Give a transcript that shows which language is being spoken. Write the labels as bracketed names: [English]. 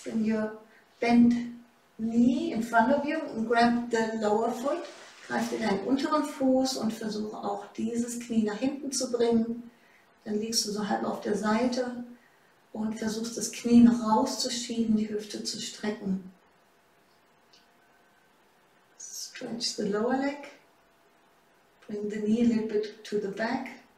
[English] Bring your bent knee in front of you and grab the lower foot. [German] Greife deinen unteren Fuß und versuche auch dieses Knie nach hinten zu bringen. Dann liegst du so halb auf der Seite und versuchst das Knie noch rauszuschieben, die Hüfte zu strecken. [English] Stretch the lower leg. Bring the knee a little bit to the back.